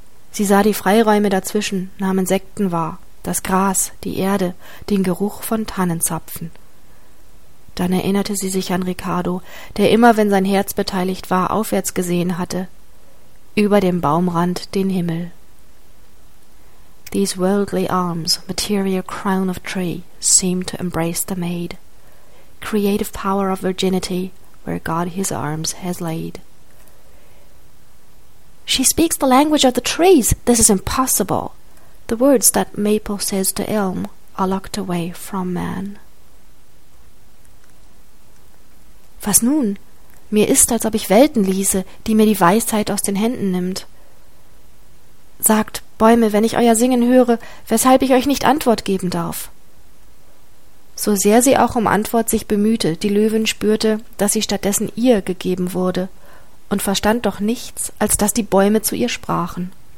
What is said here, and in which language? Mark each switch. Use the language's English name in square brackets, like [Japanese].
[German] Sie sah die Freiräume dazwischen, nahm Insekten wahr, das Gras, die Erde, den Geruch von Tannenzapfen. Dann erinnerte sie sich an Ricardo, der immer, wenn sein Herz beteiligt war, aufwärts gesehen hatte. Über dem Baumrand den Himmel. [English] »These worldly arms, material crown of tree, seem to embrace the maid. Creative power of virginity, where God his arms has laid.« »She speaks the language of the trees. This is impossible. The words that maple says to elm are locked away from man.« » [German] Was nun? Mir ist, als ob ich Welten ließe, die mir die Weisheit aus den Händen nimmt. Sagt, Bäume, wenn ich euer Singen höre, weshalb ich euch nicht Antwort geben darf.« So sehr sie auch um Antwort sich bemühte, die Löwin spürte, dass sie stattdessen ihr gegeben wurde, und verstand doch nichts, als dass die Bäume zu ihr sprachen.